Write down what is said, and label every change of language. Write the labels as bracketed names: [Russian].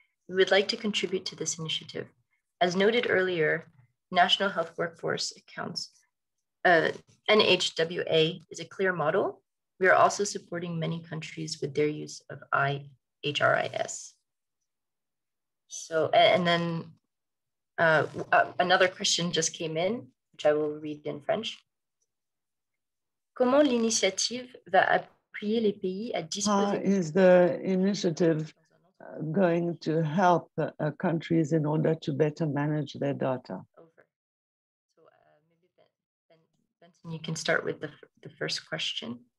[English] We would like to contribute to this initiative. As noted earlier, National Health Workforce Accounts, NHWA, is a clear model. We are also supporting many countries with their use of IHRIS. So, and then another question just came in, which I will read in French. [French] Comment l'initiative va appuyer les pays à disposer... [English] How is the initiative going to help countries in order to better manage their data? So maybe Benson, you can start with the first question.